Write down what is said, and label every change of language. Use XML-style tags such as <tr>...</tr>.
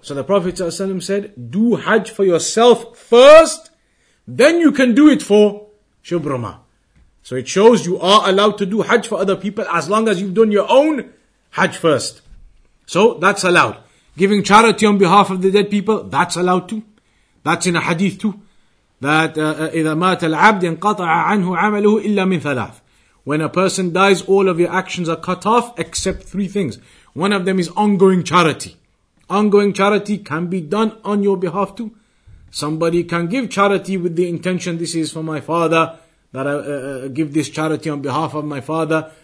<en>So the Prophet ﷺ said, do Hajj for yourself first, then you can do it for Shubruma. So it shows you are allowed to do Hajj for other people as long as you've done your own Hajj first. So that's allowed. Giving charity on behalf of the dead people, that's allowed too. That's in a hadith too.</en> <ar>That إِذَا مَاتَ الْعَبْدِ انْقَطَعَ عَنْهُ عَمَلُهُ إِلَّا مِنْ ثَلَاثٍ.</ar> <en>When a person dies, all of your actions are cut off except three things. One of them is ongoing charity. Ongoing charity can be done on your behalf too. Somebody can give charity with the intention, this is for my father, that I give this charity on behalf of my father.</en>